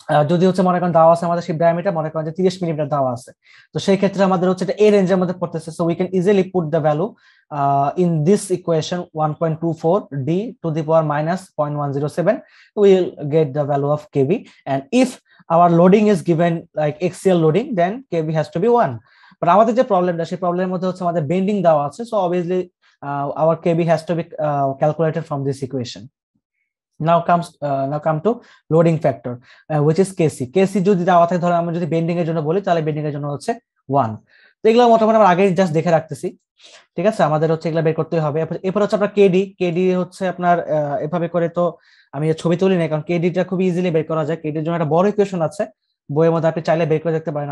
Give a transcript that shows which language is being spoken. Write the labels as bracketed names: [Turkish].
[Bangla] যদি হচ্ছে মনে করেন দেওয়া আছে আমাদের শিপ ডায়ামিটার মনে করেন যে 30 mm দেওয়া আছে, তো সেই ক্ষেত্রে আমাদের হচ্ছে এটা এই রেঞ্জের মধ্যে পড়তেছে, [English] so we can easily put the value in this equation 1.24 D to the power -0.107, will get the value of KB, and if our loading is given like axial loading then KB has to be 1, but [Bangla] আমাদের যে প্রবলেমটা সেই প্রবলেমের মধ্যে হচ্ছে আমাদের bending দেওয়া আছে, [English] So obviously our KB has to be calculated from this equation. Now come to loading factor, which is KC. [Bangla] KC যদি দেওয়া থাকে, ধরো আমরা যদি বেন্ডিং এর জন্য বলি তাহলে বেন্ডিং এর জন্য হচ্ছে 1. তো এগুলো মোটামুটি আমরা আগে জাস্ট দেখে রাখতেছি, ঠিক আছে? আমাদের হচ্ছে এগুলো বের করতে হবে। এরপর হচ্ছে আপনার KD, KD হচ্ছে আপনার এভাবে করে তো আমি ছবি তুলি না, কারণ KD টা খুব ইজিলি বের করা যায়। KD এর জন্য একটা বড় ইকুয়েশন আছে বইয়ের মধ্যে, আপনি চাইলে বের করে দেখতে পারেন।